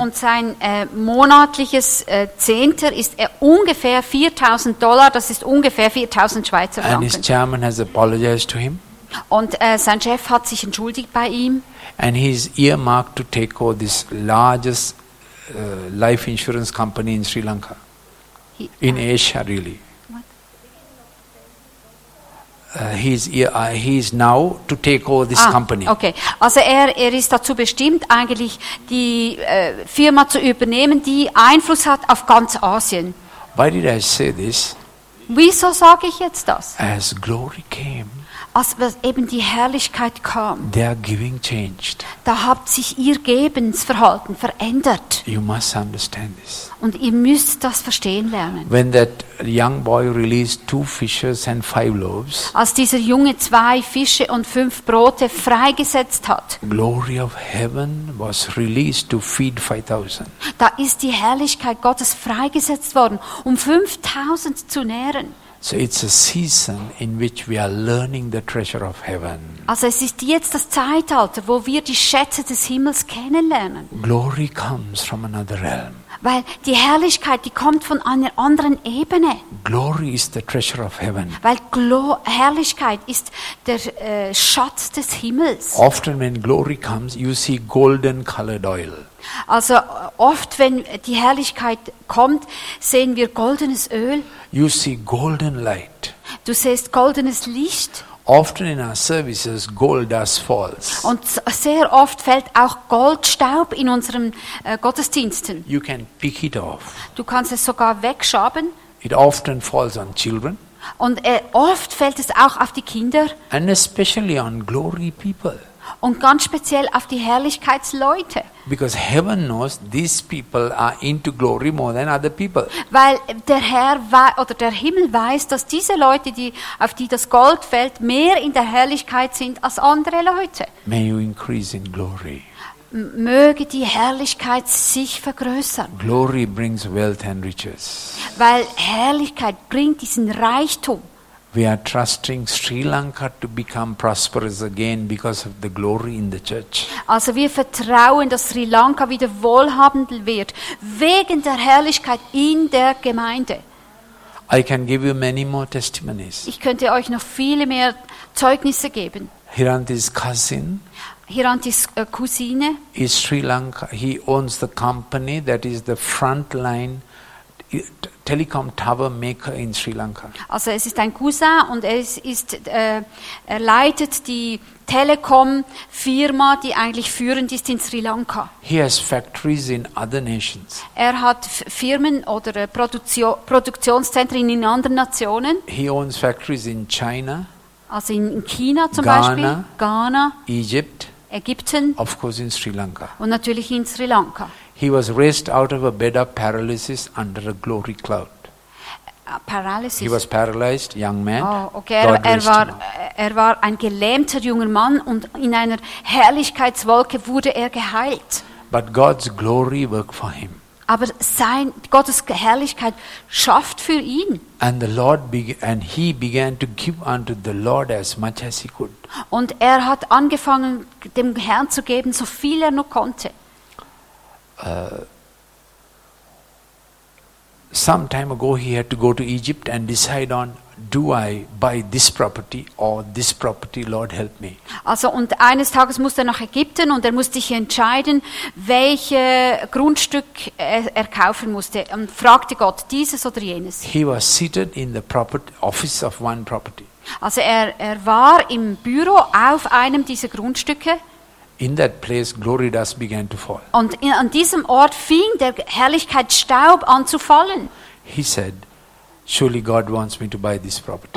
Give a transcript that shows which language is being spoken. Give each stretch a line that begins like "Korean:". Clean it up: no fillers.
German: Und sein monatliches Zehnter ist ungefähr $4,000. Das ist ungefähr 4.000 Schweizer Franken.
English: And his chairman has apologized to him.
German: Und sein Chef hat sich entschuldigt bei ihm.
English: And he's earmarked to take over this largest life insurance company in Sri Lanka, in Asia, really. He's now to take over this company.
German: Okay, also er ist dazu bestimmt, eigentlich die Firma zu übernehmen, die Einfluss hat auf ganz Asien.
English: Why did I say this?
German: Wieso sage ich jetzt das?
English: As glory came,
German: als eben die Herrlichkeit kam,
English: their giving changed.
German: Da hat sich ihr Gebensverhalten verändert.
English: You must understand this.
German: Und ihr müsst das verstehen lernen.
English: When that young boy released 2 fishes and 5 loaves,
German: als dieser Junge 2 Fische und 5 Brote freigesetzt hat,
English: glory of heaven was released to feed 5,000.
German: Da ist die Herrlichkeit Gottes freigesetzt worden, um 5,000 zu nähren.
English: So it's a season in which we are learning the treasure of heaven.
German: Also es ist jetzt das Zeitalter, wo wir die Schätze des Himmels kennenlernen.
English: Glory comes from another realm.
German: Weil die Herrlichkeit, die kommt von einer anderen Ebene.
English: Glory is the treasure of heaven.
German: Weil Herrlichkeit ist der Schatz des Himmels.
English: Often when glory comes, you see golden colored oil.
German: Also oft, wenn die Herrlichkeit kommt, sehen wir goldenes Öl.
English: You see golden light.
German: Du siehst goldenes Licht.
English: Often in our services, gold dust falls.
German: Und sehr oft fällt auch Goldstaub in unseren Gottesdiensten.
English: You can pick it off.
German: Du kannst es sogar wegschaben.
English: It often falls on children.
German: Und oft fällt es auch auf die Kinder.
English: And especially on glory people.
German: Und ganz speziell auf die Herrlichkeitsleute.
English: Because heaven knows these people are into glory more than other people.
German: Weil der Herr oder der Himmel weiß, dass diese Leute, die auf die das Gold fällt, mehr in der Herrlichkeit sind als andere Leute.
English: May you increase in glory.
German: Möge die Herrlichkeit sich vergrößern.
English: Glory brings wealth and riches.
German: Weil Herrlichkeit bringt diesen Reichtum.
English: We are trusting Sri Lanka to become prosperous again because of the glory in the church.
German: Also wir vertrauen, dass Sri Lanka wieder wohlhabend wird wegen der Herrlichkeit in der Gemeinde.
English: I can give you many more testimonies.
German: Ich könnte euch noch viele mehr Zeugnisse geben.
English: Hiranti's cousin.
German: Hiranti's Cousine.
English: Is Sri Lanka. He owns the company that is the front line. Telecom tower maker in Sri Lanka.
German: Also es ist ein Cousin und er leitet die Telekom Firma, die eigentlich führend ist in Sri Lanka.
English: He has factories in other nations.
German: Er hat Firmen oder Produktionszentren in anderen Nationen.
English: He owns factories in China.
German: Also in China zum Ghana, Beispiel. Ghana.
English: Egypt.
German: Ägypten.
English: Of course in Sri Lanka.
German: Und natürlich in Sri Lanka.
English: He was raised out of a bed of paralysis under a glory cloud. Paralysis. He was paralyzed, young man. Oh, okay.
German: Er war ein gelähmter junger Mann und in einer Herrlichkeitswolke wurde er geheilt.
English: But God's glory worked for him.
German: Aber Gottes Herrlichkeit schafft für ihn.
English: And the Lord and he began to give unto the Lord as much as he could.
German: Und er hat angefangen, dem Herrn zu geben, so viel er nur konnte.
English: Some time ago he had to go to Egypt and decide on, do I buy this property or this property, Lord help me.
German: Also und eines Tages musste er nach Ägypten und er musste sich entscheiden, welches Grundstück er kaufen musste und fragte Gott, dieses oder jenes.
English: He was seated in the property office of one property.
German: Also er war im Büro auf einem dieser Grundstücke.
English: In that place, glory dust began to fall.
German: Und an diesem Ort fing der Herrlichkeitsstaub an zu fallen.
English: He said, "Surely God wants me to buy this property."